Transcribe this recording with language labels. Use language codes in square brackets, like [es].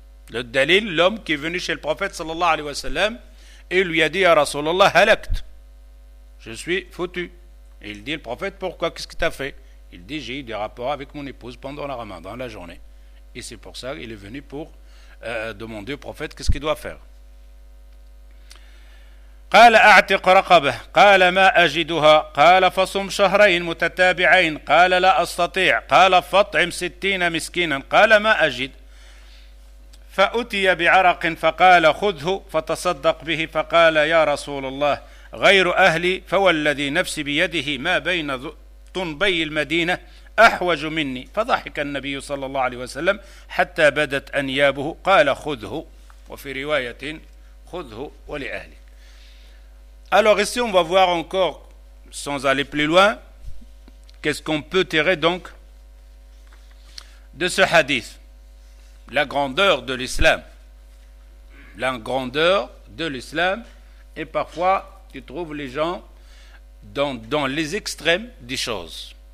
[fr] Le dalil, l'homme qui est venu chez le prophète sallallahu alayhi wa sallam, il lui a dit [ar] ya Rasulallah halakt. [fr] Je suis foutu. Et il dit, le prophète, pourquoi? Qu'est-ce que tu as fait? Il dit, j'ai eu des rapports avec mon épouse pendant le ramadan, la journée. Et c'est pour ça qu'il est venu pour demander au prophète qu'est-ce qu'il doit faire. [ar] قال اعتق رقبه قال ما اجدها قال فصم شهرين متتابعين قال لا استطيع قال فطعم 60 مسكينا قال ما اجد فاتي بعرق فقال خذه فتصدق به فقال يا رسول الله غير أهلي فوالذي نفسي بيده ما بين طنبي المدينة أحوج مني فضحك النبي صلى الله عليه وسلم حتى بدت أنيابه قال خذه وفي رواية خذه ولأهلي. [fr] Alors ici on va voir encore sans aller plus loin qu'est-ce qu'on peut tirer donc de ce hadith, la grandeur de l'islam, la grandeur de l'islam. Et parfois tu trouves les gens dans les extrêmes des choses.